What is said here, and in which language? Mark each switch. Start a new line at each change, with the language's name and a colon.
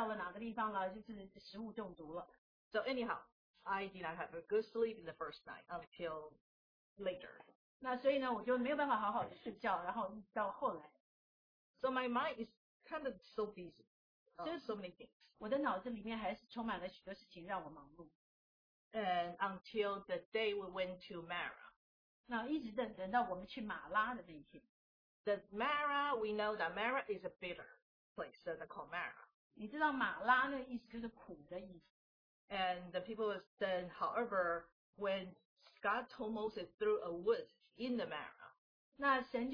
Chinese: 就说某某人呢，他又是上吐下泻，可能是他早一天到了，然后他到了哪个地方了，就是食物中毒了。
English: So anyhow, I did not have a good sleep in the first night until later.
Chinese: 那所以呢，我就没有办法好好的睡觉，然后到后来。
English: So my mind is kind of so busy. So many things.
Chinese: 我的脑子里面还是充满了许多事情让我忙碌。
English: And until the day we went to Mara.
Chinese: 那一直等到我们去马拉的那一天。
English: The Mara, we know that Mara is a bitter place, so they call Mara.
Chinese: 你知道马拉那意思就是苦的意思。
English: And the people was then, however, when God told Moses threw a wood in the Mara.